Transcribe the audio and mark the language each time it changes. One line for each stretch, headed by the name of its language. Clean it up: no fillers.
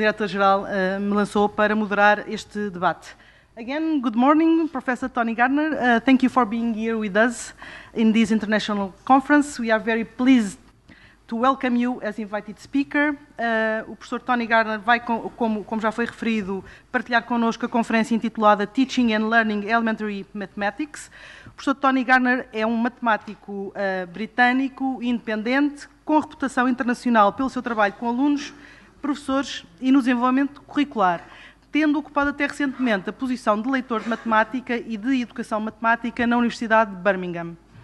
Portuguese: Diretor-Geral me lançou para moderar este debate.
English: Again, good morning, Professor Tony Gardner. Thank you for being here with us in this international conference. We are very pleased to welcome you as invited speaker.
Portuguese: O professor Tony Gardner vai, como já foi referido, partilhar connosco a conferência intitulada
English: Teaching and Learning Elementary Mathematics.
Portuguese: O professor Tony Gardner é um matemático britânico, independente, com reputação internacional pelo seu trabalho com alunos, professores e no desenvolvimento curricular, tendo ocupado até recentemente a posição de leitor de matemática e de educação matemática na Universidade de Birmingham.